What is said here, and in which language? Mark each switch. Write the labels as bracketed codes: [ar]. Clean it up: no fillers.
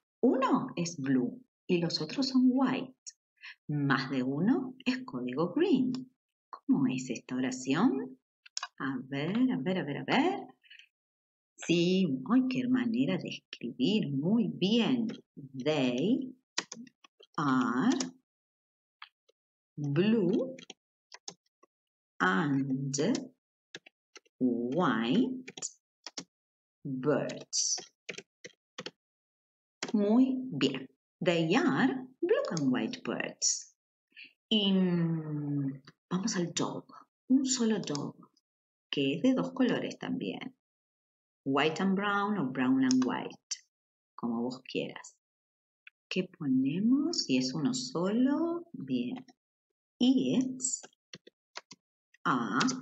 [es] Uno es blue y los otros son white. Más de uno es código green. ¿Cómo es esta oración? A ver. Sí, ay, qué manera de escribir. Muy bien. [en] They are blue and white birds. Muy bien. They are blue and white birds. [es] Y vamos al dog. Un solo dog, que es de dos colores también. [en] White and brown o brown and white, [es] como vos quieras. ¿Qué ponemos? Si es uno solo, bien. [en] It's a.